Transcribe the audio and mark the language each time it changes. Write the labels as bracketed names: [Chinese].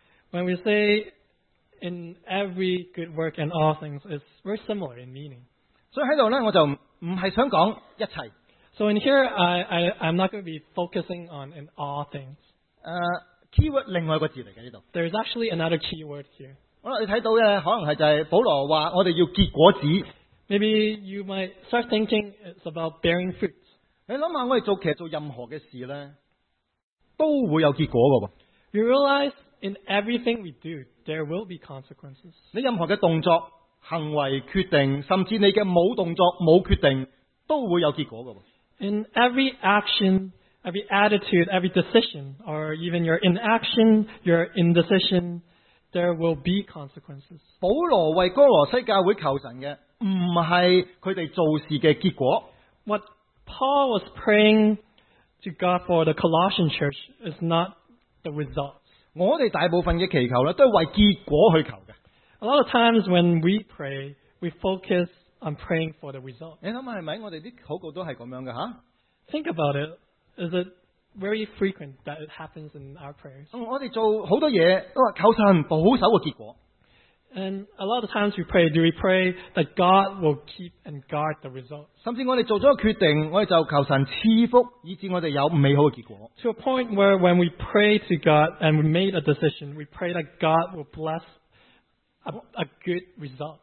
[English] When we say in every good work and all things, it's very similar in meaning. [Chinese] 所以在这里我就不是想说一切。 [English] So in here, I'm not going to be focusing on in all things. [Chinese] Keyword另外一个字来的, [English] there's actually another keyword here. [Chinese] 你看到的可能就是保罗说我们要结果子。 [English] Maybe you might start thinking it's about bearing fruit. [Chinese] 你想想, 我们做任何的事呢, 都会有结果的, [English] you realize in everything we do, there will be consequences. [Chinese] 你任何的动作, 行为, 决定, 甚至你的没动作, 没决定, 都会有结果的, [English] in every action, every attitude, every decision, or even your inaction, your indecision, there will be consequences. [Chinese] 保罗为哥罗西教会求神的, 不是他们做事的结果, [English] what Paul was praying to God for the Colossian church is not the results. [Chinese] 我们大部分的祈求都是为结果去求的。 [English] A lot of times when we pray, we focus on praying for the results. [Chinese] 你想想是不是?我们的祷告都是这样的, huh? [English] Think about it. Is it very frequent that it happens in our prayers? [Chinese] 我们做很多事都是求神保守的结果。 [English] And a lot of times we pray, do we pray that God will keep and guard the result? [Chinese] 甚至我们做了决定, [English] to a point where when we pray to God and we made a decision, we pray that God will bless a good result.